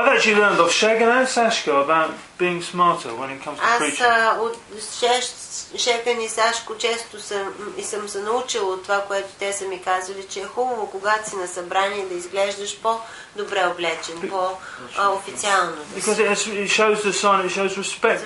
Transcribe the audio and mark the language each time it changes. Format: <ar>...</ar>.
<en>I've actually learned of Shagan and Sashko about being smarter when it comes to preaching.</en> <bg>Аз от Шеган и Сашко често съм се научил от това, което те са ми казали, че е хубаво, когато си на събрание, да изглеждаш по-добре облечен, по-официално.</bg> <en>Because it shows the sign, it shows respect to people.</en>